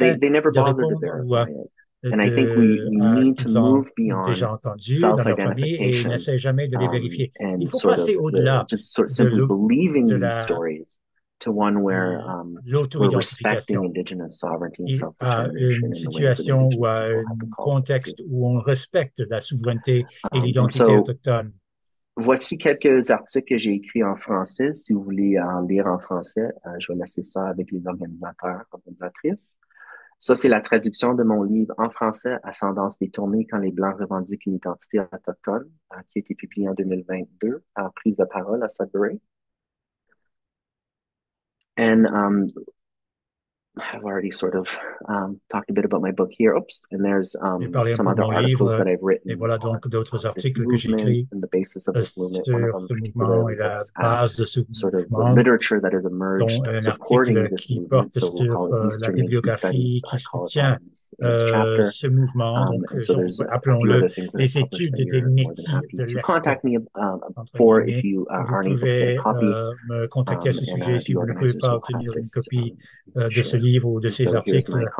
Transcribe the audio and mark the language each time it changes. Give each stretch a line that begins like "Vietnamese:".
English: And they never bothered to verify it. And I think we need to move beyond self-identification and sort of just sort of simply believing these stories to one where we're respecting Indigenous sovereignty and self-determination in the way that Indigenous people have to contribute.
French: Voici quelques articles que j'ai écrits en français. Si vous voulez en lire en français, je vais laisser ça avec les organisateurs, organisatrices. Ça, c'est la traduction de mon livre en français, Ascendance détournée quand les Blancs revendiquent une identité autochtone, qui a été publié en 2022 à prise de parole à Sudbury.
English: And I've already sort of talked a bit about my book here. Oops. And there's some other articles that I've written.
French: Et voilà donc d'autres articles que j'ai écrits.
English: And the basis of this movement, sort of the literature that has emerged supporting this movement. So we'll call it Eastern Studies. I call it
French: ce mouvement.
English: So there's a few other things that I've published and you're more than happy to contact me for if you aren't able to get a copy.
French: Me contacter à ce sujet si vous ne pouvez pas obtenir une copie de ce livre ou de ces articles.